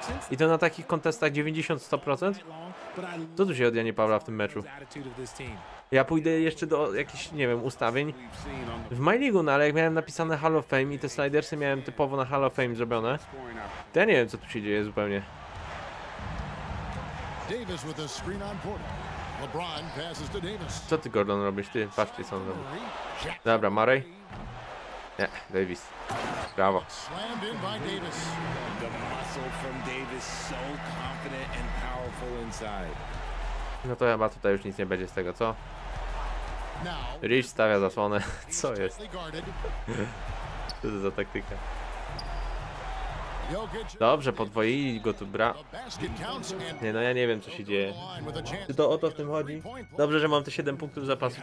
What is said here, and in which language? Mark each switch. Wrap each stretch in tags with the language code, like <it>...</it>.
<pl>I to na takich kontestach 90-100%? Co tu się od Janie Pawła w tym meczu? Ja pójdę jeszcze do jakichś, nie wiem, ustawień. W MyLeague, no ale jak miałem napisane Hall of Fame i te slidersy miałem typowo na Hall of Fame zrobione, to ja nie wiem, co tu się dzieje zupełnie.</pl> <en>Davis with a screen on Porter. LeBron passes to Davis.</en> <pl>Co ty Gordon robisz? Ty, patrzcie co on robi. Dobra, Murray. Nie, Davis. Brawo.</pl> <en>Slammed in by Davis. The muscle from Davis so confident and powerful inside.</en> <pl>No to chyba tutaj już nic nie będzie z tego, co? Rich stawia zasłonę. Co jest? Co to za taktyka? Dobrze, podwoili go tu, bra... Nie, no ja nie wiem, co się dzieje. Czy to o to w tym chodzi? Dobrze, że mam te 7 punktów zapasu.</pl>